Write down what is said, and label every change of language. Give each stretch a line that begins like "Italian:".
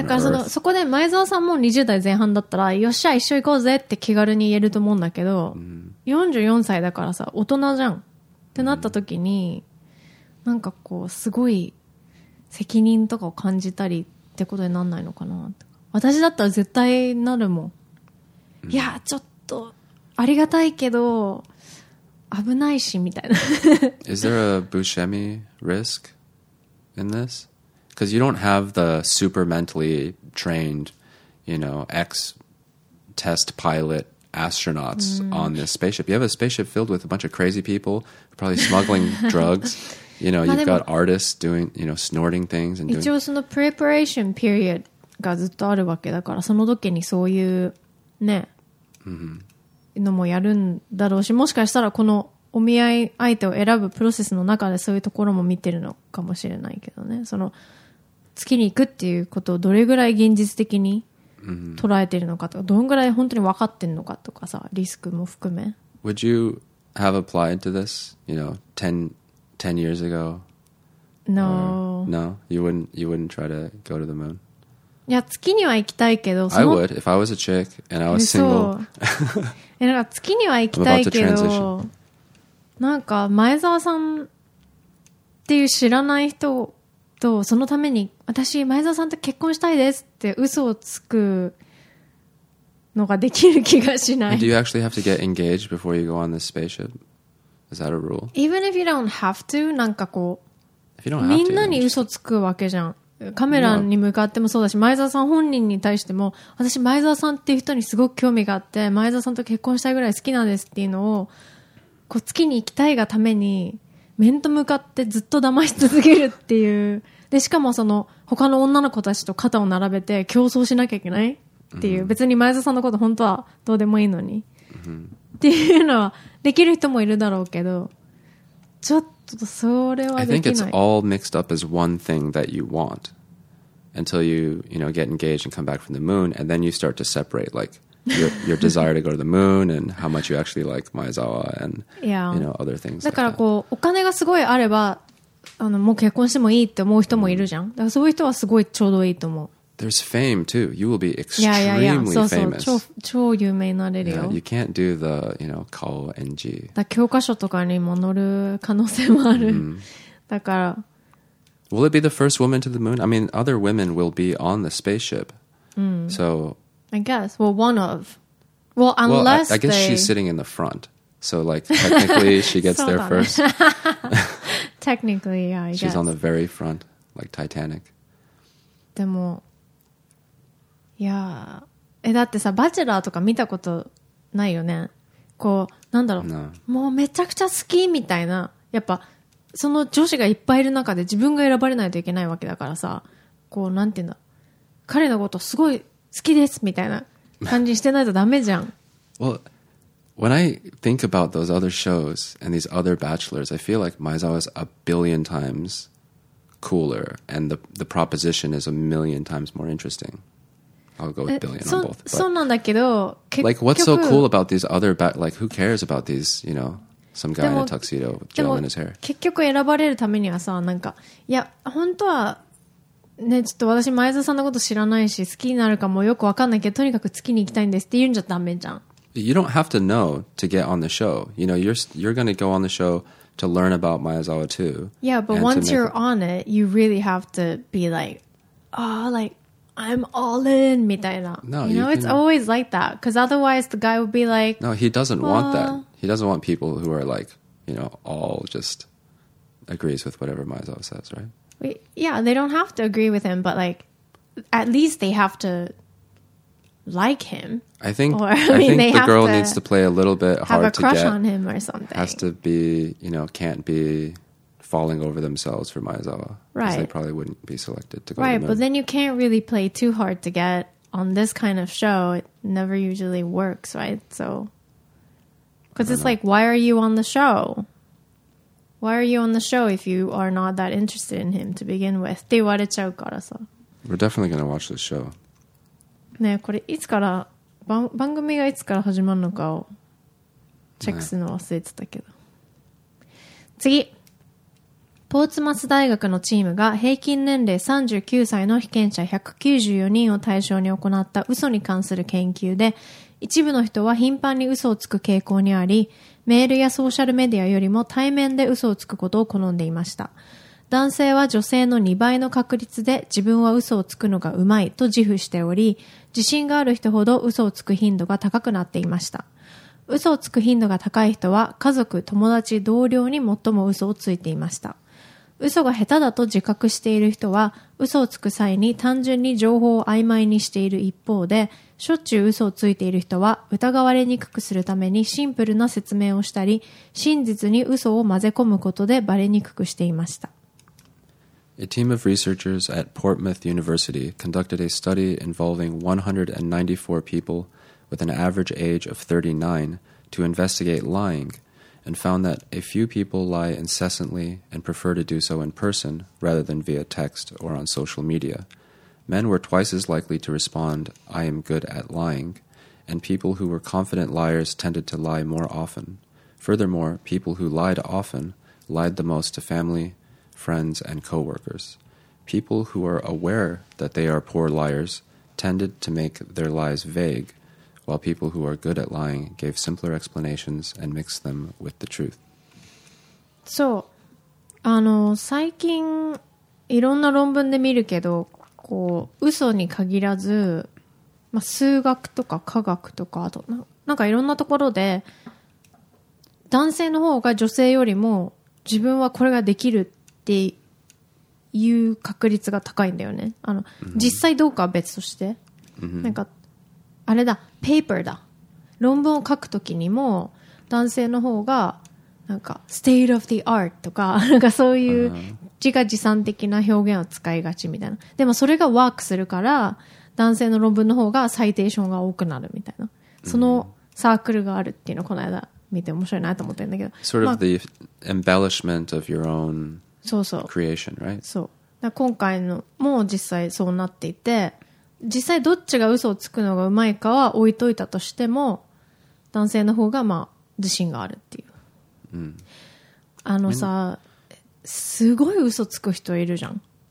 Japanese: だからそこで前澤さんも20代前半だったら、よっしゃ一緒行こうぜって気軽に言えると思うんだけど、44歳だからさ、大人じゃんってなった時に、なんかこうすごい責任とかを感じたりってことになんないのかなって。私だったら絶対なるもん。いやちょっとありがたいけど危ないしみたいな。
English: Is there a Buscemi risk in this? Because you don't have the super mentally trained, you know, ex-test pilot astronauts on this spaceship. You have a spaceship filled with a bunch of crazy people, probably smuggling drugs. You know, you've got artists doing, you know, snorting things and doing.
Japanese: 一応その
English: preparation period
Japanese: がずっとあるわけだから、その時にそういうね。のもやるんだろうし、もしかしたらこのお見合い相手を選ぶプロセスの中でそういうところも見てるのかもしれないけどね、その月に行くっていうことをどれぐらい現実的に捉えてるのかとか、どんぐらい本当に分かってるのかとかさ、リスクも含め。
English: Would you have applied to this, you know, 10 years ago? No. No? You wouldn't try to go to the moon?
Japanese: いや、月には行きたいけど、
English: その I would, if I was a chick and I was single.
Japanese: なんか月には行きたいけど、なんか前澤さんっていう知らない人と、そのために私前澤さんと結婚したいですって嘘をつくのができる気がしない。
English: Do you actually have to get engaged before you go on this spaceship? Is that a rule? Even if you don't have to,
Japanese: なんかこう
English: if you don't have
Japanese: みんなに嘘つくわけじゃん。カメラに向かってもそうだし、前澤さん本人に対しても、私前澤さんっていう人にすごく興味があって、前澤さんと結婚したいぐらい好きなんですっていうのを、こう月に行きたいがために面と向かってずっと騙し続けるっていう。で、しかもその他の女の子たちと肩を並べて競争しなきゃいけないっていう、別に前澤さんのこと本当はどうでもいいのにっていうのはできる人もいるだろうけど、ちょっと
English: I think it's all mixed up as one thing that you want until you, you know, get engaged and come back from the moon, and then you start to separate like your desire to go to the moon and how much you actually like Maezawa and, you know, other things.
Japanese: だからこう、お金がすごいあれば、もう結婚してもいいって思う人もいるじゃん。だからそういう人はすごいちょうどいいと思う。
English: There's fame too. You will be extremely famous.
Japanese: そうそう、超有名になれるよ。
English: Yeah, you can't do the, you know,
Japanese: 顔 NG. だ教科書とかにも載る可能性もある。 Mm-hmm. だから。
English: Will it be the first woman to the moon? I mean, other women will be on the spaceship.、 Mm. So. I guess. Well, one of. Well, unless. Well, I guess they... she's sitting in the front. So, like, technically, she gets there first. technically, yeah, I guess. She's on the very front, like Titanic.
Japanese: でも。いやえだってさバチェラーとか見たことないよねこうなんだろう、
English: no.
Japanese: もうめちゃくちゃ好きみたいなやっぱその女子がいっぱいいる中で自分が選ばれないといけないわけだからさこうなんていうんだ彼のことすごい好きですみたいな感じしてないとダメじゃん
English: Well, when I think about those other shows and these other bachelors I feel like Maezawa is a billion times cooler and the proposition is a million times more interestingI'll go with billion on both.
Japanese: そうなんだけど、結局、
English: like, what's so cool about these other back, like, who cares about these, you know, some guy in a tuxedo with gel in his hair?
Japanese: 結局選ばれるためにはさ、なんか、いや、本当は、ね、ちょっと私、前澤さんのこと知らないし、好きになるかもよくわかんないけど、とにかく月に行きたいんですって言うんじゃダメじゃん。
English: You don't have to know to get on the show. You know, you're gonna go on the show to learn about Maezawa too. Yeah, but once you're on it, you really have to be like, oh, like,I'm all in,
Japanese: みたいな。
English: No, you know, it's always like that. Because otherwise, the guy would be like... No, he doesn't want that. He doesn't want people who are like, you know, all just agrees with whatever Maezawa says, right? Yeah, they don't have to agree with him, but like, at least they have to like him. I think, or, I mean, I think the girl needs to play a little bit hard to get. Have a crush on him or something. Has to be, you know, can't be... falling over themselves for Maezawa. Right. They probably wouldn't be selected to go to the moon. But then you can't really play too hard to get on this kind of show. It never usually works, right? So, because it's like, why are you on the show? Why are you on the show if you are not that interested in him to begin with?
Japanese: って言われちゃうからさ。
English: We're definitely going to watch this show.
Japanese: ねえ、これいつから、番組がいつから始まるのかをチェックするの忘れてたけど。次。ポーツマス大学のチームが平均年齢39歳の被験者194人を対象に行った嘘に関する研究で、一部の人は頻繁に嘘をつく傾向にあり、メールやソーシャルメディアよりも対面で嘘をつくことを好んでいました。男性は女性の2倍の確率で自分は嘘をつくのがうまいと自負しており、自信がある人ほど嘘をつく頻度が高くなっていました。嘘をつく頻度が高い人は家族、友達、同僚に最も嘘をついていました。嘘が下手だと自覚している人は嘘をつく際に単純に情報を曖昧にしている一方でしょっちゅう嘘をついている人は疑われにくくするためにシンプルな説明をしたり真実に嘘を混ぜ込むことでバレにくくしていました。
English: A team of researchers at Portsmouth University conducted a study involving 194 people with an average age of 39 to investigate lyingand found that a few people lie incessantly and prefer to do so in person rather than via text or on social media. Men were twice as likely to respond, I am good at lying, and people who were confident liars tended to lie more often. Furthermore, people who lied often lied the most to family, friends, and coworkers. People who are aware that they are poor liars tended to make their lies vague,while people who are good at lying gave simpler explanations and mixed them with the truth.
Japanese: そう、最近いろんな論文で見るけど、こう嘘に限らず、まあ、数学とか科学とかあとなんかいろんなところで男性の方が女性よりも自分はこれができるっていう確率が高いんだよね。 mm-hmm. 実際どうかは別として、 mm-hmm. なんかあれだ、ペーパーだ。論文を書くときにも、男性の方が、なんか、
English: state of the art
Japanese: とか、なんかそういう自画自賛的な表現を使いがちみたいな。でもそれがワークするから、男性の論文の方がサイテーションが多くなるみたいな。そのサークルがあるっていうのをこの間見て面白いなと思ってるんだけど。
English: Sort of the embellishment of your own creation, right?
Japanese: そう。だ今回のも実際そうなっていて、実際どっちが嘘をつくのがうまいかは置いといたとしても男性の方がまあ自信があるっていう、うん、あのさすごい嘘つく人いるじゃん。